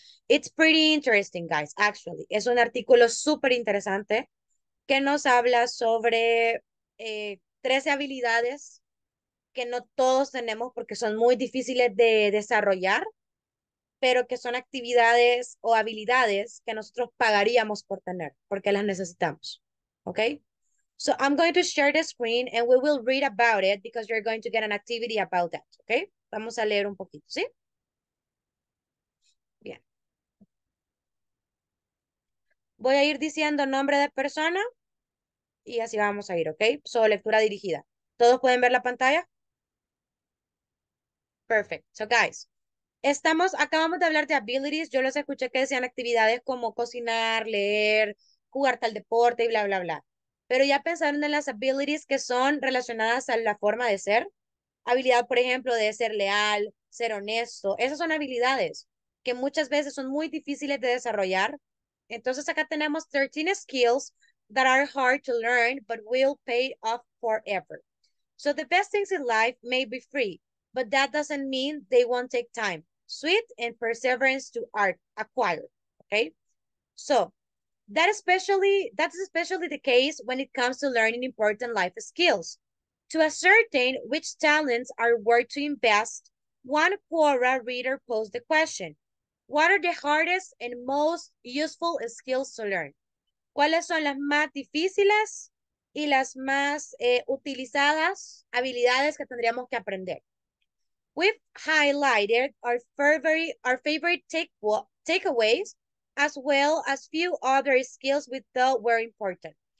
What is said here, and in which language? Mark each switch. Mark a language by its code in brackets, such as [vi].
[en] It's pretty interesting, guys, actually. [es] Es un artículo súper interesante que nos habla sobre 13 habilidades que no todos tenemos porque son muy difíciles de desarrollar, pero que son actividades o habilidades que nosotros pagaríamos por tener porque las necesitamos. [en] Okay, so I'm going to share the screen and we will read about it because you're going to get an activity about that. [es] Okay, vamos a leer un poquito, ¿sí? Bien. Voy a ir diciendo nombre de persona y así vamos a ir, okay? So, lectura dirigida. ¿Todos pueden ver la pantalla? [en] Perfect. So, guys, [es] acabamos de hablar de abilities. Yo los escuché que decían actividades como cocinar, leer, jugar tal deporte y bla, bla, bla. Pero ya pensaron en las abilities que son relacionadas a la forma de ser. Habilidad, por ejemplo, de ser leal, ser honesto. Esas son habilidades que muchas veces son muy difíciles de desarrollar. Entonces acá tenemos [en] 13 skills that are hard to learn but will pay off forever. So the best things in life may be free, but that doesn't mean they won't take time, sweat, and perseverance to acquire. Okay? So, That's especially the case when it comes to learning important life skills. To ascertain which talents are worth to invest, one Quora reader posed the question, what are the hardest and most useful skills to learn? [es] ¿Cuáles son las más difíciles y las más utilizadas habilidades que tendríamos que aprender? [en] We've highlighted our favorite takeaways as well as few other skills we thought were important.